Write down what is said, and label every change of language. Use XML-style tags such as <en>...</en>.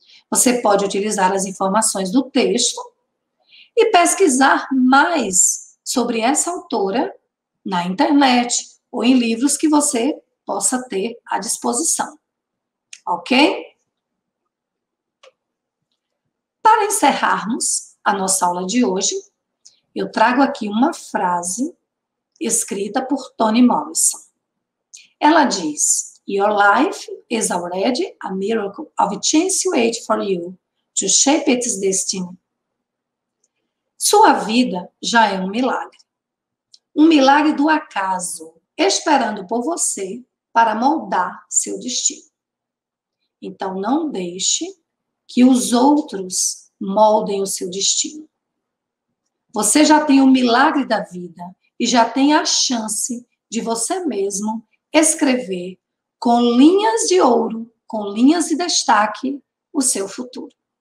<pt>Você pode utilizar as informações do texto e pesquisar mais sobre essa autora na internet ou em livros que você possa ter à disposição. Ok? Para encerrarmos a nossa aula de hoje, eu trago aqui uma frase escrita por Toni Morrison.</pt> <en>Ela diz: "Your life is already a miracle of chance waiting for you to shape its destiny."</en> <pt>Sua vida já é um milagre. Um milagre do acaso, esperando por você para moldar seu destino. Então não deixe que os outros moldem o seu destino. Você já tem o milagre da vida e já tem a chance de você mesmo escrever com linhas de ouro, com linhas de destaque, o seu futuro.</pt>